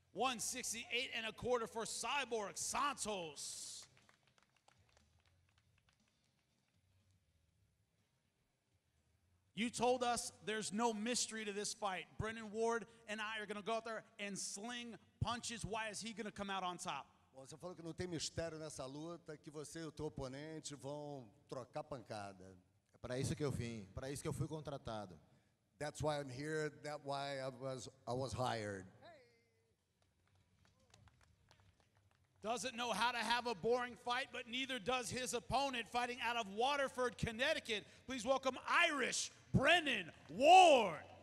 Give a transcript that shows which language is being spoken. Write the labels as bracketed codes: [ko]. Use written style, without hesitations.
[en] .168 for Cyborg Santos. You told us there's no mystery to this fight. Brennan Ward and I are going to go out there and sling punches. Why is he going to come out on top? [pt] Well, você falou que não tem mistério nessa luta, que você e o teu oponente vão trocar pancada. É para isso que eu vim, para isso que eu fui contratado. [en] That's why I'm here, that's why I was hired. Doesn't know how to have a boring fight, but neither does his opponent, fighting out of Waterford, Connecticut. Please welcome Irish Brennan Ward.